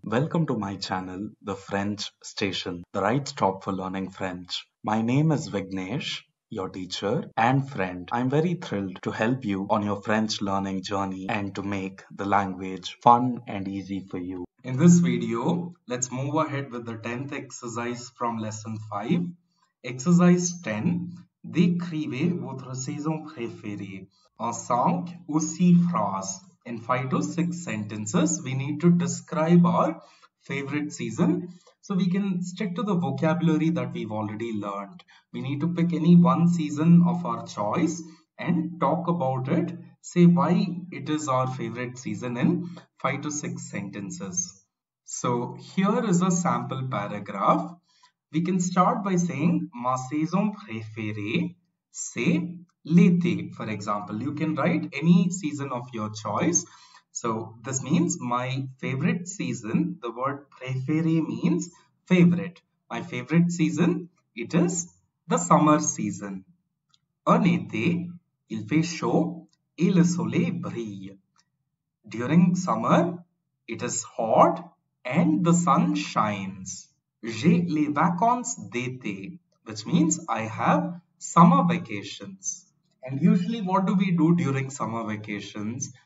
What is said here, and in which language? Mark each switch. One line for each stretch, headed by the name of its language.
English: Welcome to my channel, The French Station, the right stop for learning French. My name is Vignesh, your teacher and friend. I'm very thrilled to help you on your French learning journey and to make the language fun and easy for you. In this video, let's move ahead with the 10th exercise from lesson 5.
French: Exercise 10, Décrivez votre saison préférée, en 5 ou 6 phrases.
English: In 5 to 6 sentences, we need to describe our favorite season. So we can stick to the vocabulary that we've already learned. We need to pick any one season of our choice and talk about it. Say why it is our favorite season in 5 to 6 sentences. So here is a sample paragraph. We can start by saying,
French: Ma saison préférée, c'est l'été,
English: for example. You can write any season of your choice. So this means my favorite season, the word préféré means favorite. My favorite season, it is the summer season.
French: En été, il fait chaud et le soleil brille.
English: During summer, it is hot and the sun shines.
French: J'ai les vacances d'été,
English: which means I have summer vacations. And usually what do we do during summer vacations?